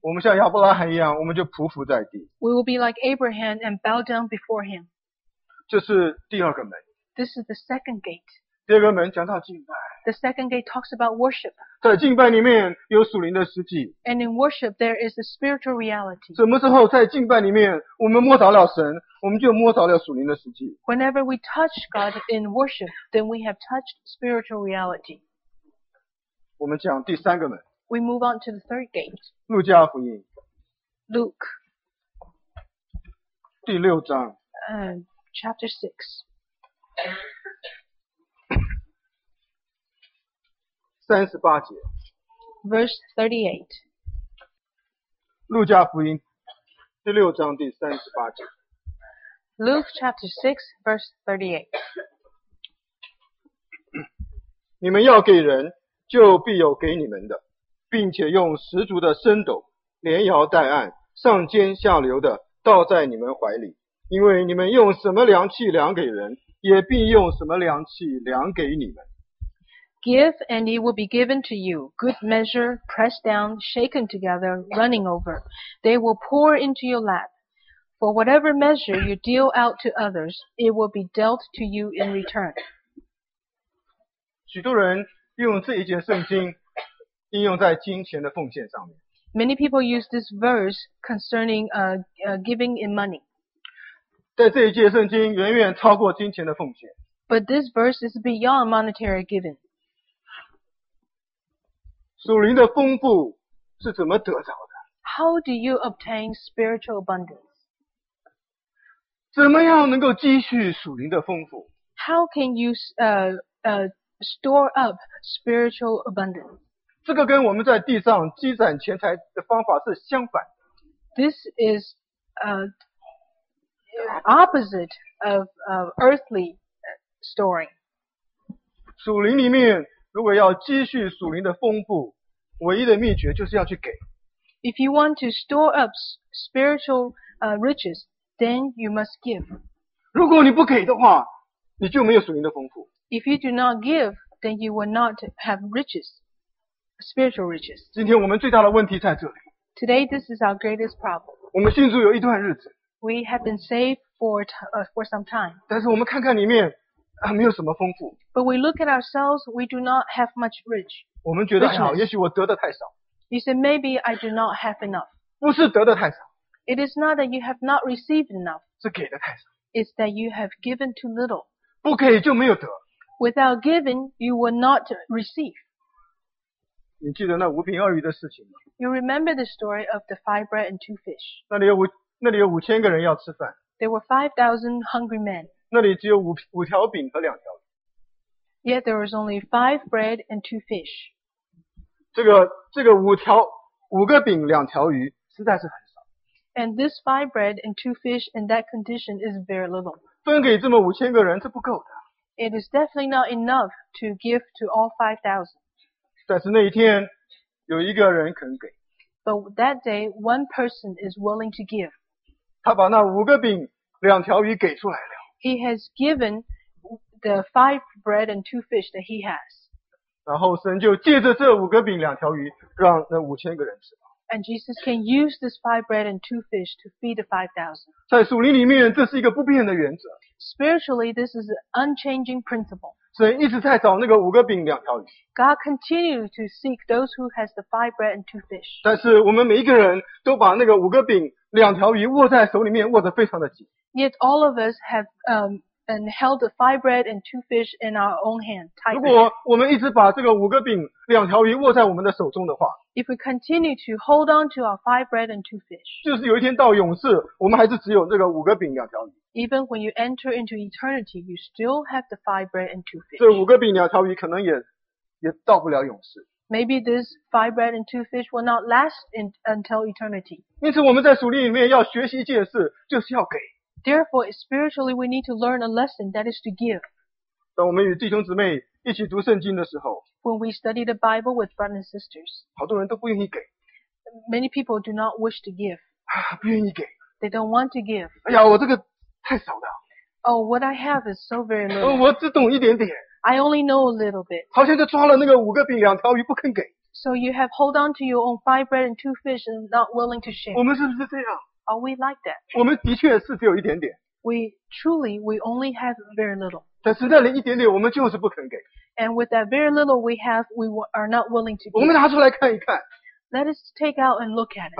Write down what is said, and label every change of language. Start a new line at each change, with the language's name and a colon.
Chinese: 我们像亚伯拉罕一样，我们就匍匐在地。
English: We will be like Abraham and bow down before him.
Chinese: 这是第二个门。
English: This is the second gate.
Chinese: 第二个门讲到敬拜。
English: The second gate talks about worship.
Chinese: 在敬拜里面有属灵的实际。
English: And in worship, there is a spiritual reality.
Chinese: 什么时候在敬拜里面我们摸着了神，我们就摸着了属灵的实际。
English: Whenever we touch God in worship, then we have touched spiritual reality.
Chinese: 我们讲第三个门。
English: We move on to the third gate.
Chinese: 路加福音。
English: Luke.
Chinese: 第六章。
English: Chapter 6.
Chinese: 38节
English: Verse 38,
Chinese: 路加福音第六章第38节
English: Luke chapter 6 verse 38,
Chinese: 你们要给人就必有给你们的，并且用十足的升斗，连摇带按，上尖下流的倒在你们怀里，因为你们用什么量器量给人，也必用什么量器量给你们。
English: Give, and it will be given to you. Good measure, pressed down, shaken together, running over. They will pour into your lap. For whatever measure you deal out to others, it will be dealt to you in return.
Chinese: 许多人用这一节圣经应用在金钱的奉献上面。
English: Many people use this verse concerning giving in money.
Chinese: 在这一节圣经远远超过金钱的奉献。
English: But this verse is beyond monetary giving.
Chinese: 属灵的丰富是怎么得着的？
English: How do you obtain spiritual abundance?
Chinese: 怎么样能够积蓄属灵的丰富？
English: How can you store up spiritual abundance?
Chinese: 这个跟我们在地上积攒钱财的方法是相反的。
English: This is opposite of earthly storing.
Chinese: 属灵里面如果要积蓄属灵的丰富，唯一的秘诀就是要去给。
English: If you want to store up spiritual riches, then you must give.
Chinese: 如果你不给的话，你就没有属灵的丰富。
English: If you do not give, then you will not have riches, spiritual riches.
Chinese: 今天我们最大的问题在这里。
English: Today, this is our greatest problem.
Chinese: 我们信主有一段日子。
English: We have been saved for some time.
Chinese: 但是我们看看里面啊，没有什么丰富。
English: But we look at ourselves, we do not have much rich.
Chinese: 我们觉得哎呀，也许我得的太少。
English: You say maybe I do not have enough.
Chinese: 不是得的太少。
English: It is not that you have not received enough.
Chinese: 是给的太少。
English: It's that you have given too little.
Chinese: 不给就没有得。
English: Without giving, you will not receive.
Chinese: 你记得那五饼二鱼的事情吗？
English: You remember the story of the five bread and two fish.
Chinese: 那里有五千个人要吃饭。
English: There were 5,000 hungry men.
Chinese: 那里只有五条饼和两条鱼。
English: Yet there was only five bread and two fish.
Chinese: 这个五个饼两条鱼实在是很少。
English: And this five bread and two fish in that condition is very little.
Chinese: 分给这么五千个人是不够的。
English: It is definitely not enough to give to all 5,000.
Chinese: 但是那一天有一个人肯给。
English: But that day, one person is willing to give.
Chinese: 他把那五个饼两条鱼给出来了。
English: He has given the five bread and two fish that he has.
Chinese: 然后神就借着这五个饼两条鱼让那五千个人吃。
English: And Jesus can use this five bread and two fish to feed the 5,000.
Chinese: 在属灵里面这是一个不变的原则。
English: Spiritually, this is an unchanging principle.
Chinese: 神一直在找那个五个饼两条鱼。
English: God continues to seek those who has the five bread and two fish.
Chinese: 但是我们每一个人都把那个五个饼两条鱼握在手里面握得非常的紧。
English: Yet all of us have held the five bread and two fish in our own hand.
Chinese: 如果我们一直把这个五个饼两条鱼握在我们的手中的话，
English: If we continue to hold on to our five bread and two fish,
Chinese: 就是有一天到永世，我们还是只有这个五个饼两条鱼。
English: Even when you enter into eternity, you still have the five bread and two fish.
Chinese: 这五个饼两条鱼可能也到不了永世。
English: Maybe this five bread and two fish will not last until eternity.
Chinese: 因此我们在属灵里面要学习一件事，就是要给。
English: Therefore, spiritually, we need to learn a lesson that is to give.
Chinese: 当我们与弟兄姊妹一起读圣经的时候，
English: When we study the Bible with brothers and sisters,
Chinese: 好多人都不愿意给。
English: Many people do not wish to give.
Chinese: 不愿意给。
English: They don't want to give.
Chinese: 哎呀，我这个太少了。
English: Oh, what I have is so very little.
Chinese: 我只懂一点点。
English: I only know a little bit.
Chinese: 好像就抓了那个五个饼两条鱼不肯给。
English: So you have hold on to your own five bread and two fish and not willing to share.
Chinese: 我们是不是这样？
English: Are we like that?
Chinese: 我们的确是只有一点点。
English: We only have very little.
Chinese: 但是那里一点点我们就是不肯给。
English: And with that very little we have, we are not willing to give.
Chinese: 我们拿出来看一看。
English: Let us take out and look at it.